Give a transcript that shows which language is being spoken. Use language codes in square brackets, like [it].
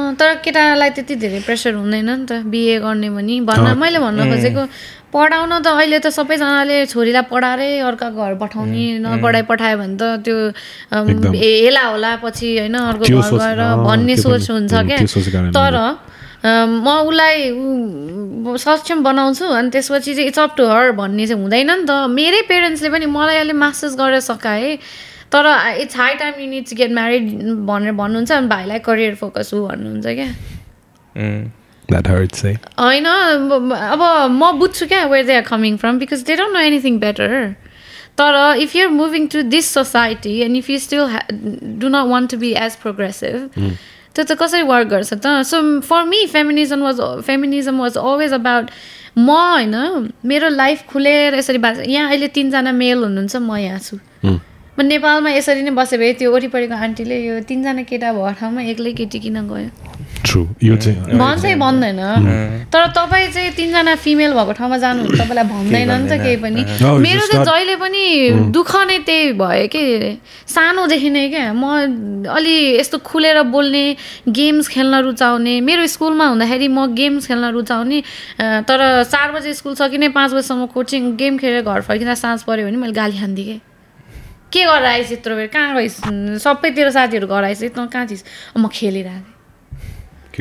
[ne] तर केटालाई त्यति धेरै प्रेसर हुँदैन नि त बिहे गर्ने भने भन्न मैले भन्न खोजेको पढाउन त अहिले त सबैजनाले छोरीलाई पढाएरै अर्का घर पठाउने नपढाइ पठायो भने त त्यो हेला होला पछि होइन अर्को घर गएर भन्ने सोच हुन्छ क्या तर म उसलाई सक्षम बनाउँछु अनि त्यसपछि चाहिँ [en] it's up to her [ne] भन्ने चाहिँ हुँदैन नि त मेरै पेरेन्ट्सले पनि मलाई अलिक मास्टर्स गरेर सकाए तर [en] it's high time you need to get married [ne] भनेर भन्नुहुन्छ अनि भाइलाई करियर फोकस हो भन्नुहुन्छ क्या [en] That hurts, eh? I know, but I don't know where they are coming from because they don't know anything better. But if you're moving to this society and if you still do not want to be as progressive, then how do you work? So for me, feminism was always about I know, my life is open. Here, there are 3 male here. [ne] म नेपालमा यसरी नै बसे भए त्यो वरिपरिको आन्टीले यो 3 केटा भयो ठाउँमा एक्लै केटी किन गयो भन्छै भन्दैन तर तपाईँ चाहिँ 3 फिमेल भएको ठाउँमा जानुहुन्छ तपाईँलाई भन्दैन नि त केही पनि मेरो चाहिँ जहिले पनि दुःख नै त्यही भयो के सानोदेखि नै क्या म अलि यस्तो खुलेर बोल्ने गेम्स खेल्न रुचाउने मेरो स्कुलमा हुँदाखेरि म गेम्स खेल्न रुचाउने तर 4 स्कुल सकिने 5 कोचिङ गेम खेलेर घर फर्किँदा साँझ पऱ्यो भने मैले गाली खान्दिएँ के गरेर आएछ यत्रो बेर कहाँ गइस् सबै तेरो साथीहरू घर आएछ त कहाँ छिस् म खेलिरहेको